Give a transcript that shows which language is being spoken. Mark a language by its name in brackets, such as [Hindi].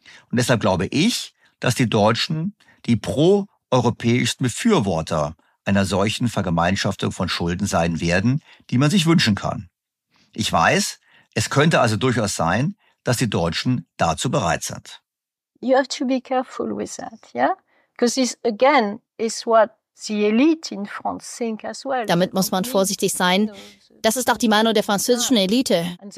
[German] Und deshalb glaube ich, dass die Deutschen die pro-europäischsten Befürworter einer solchen Vergemeinschaftung von Schulden sein werden, die man sich wünschen kann. Ich weiß, es könnte also durchaus sein, dass die Deutschen dazu bereit sind. [English] You have to be careful with that, yeah? Because this again is what the elite in France think as well. [German] Damit muss man vorsichtig sein. Das ist auch die Meinung der französischen Elite.